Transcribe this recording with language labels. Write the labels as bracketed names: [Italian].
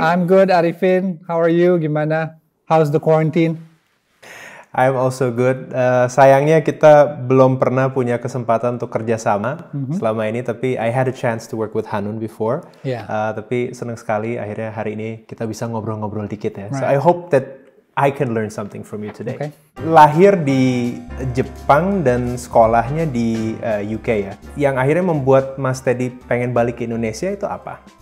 [English] I'm good, Arifin. How are you? [Indonesian] Gimana? [English] How's the quarantine? I'm also good. [Indonesian] Sayangnya kita belum pernah punya kesempatan untuk kerjasama selama ini, tapi [English] I had a chance to work with Hanun before. Yeah. [Indonesian] Tapi senang sekali akhirnya hari ini kita bisa ngobrol-ngobrol dikit ya. [English] Right. So I hope that I can learn something from you today. Okay. [Indonesian] Lahir di Jepang dan sekolahnya di UK ya. Yang akhirnya membuat Mas Teddy pengen balik ke Indonesia itu apa?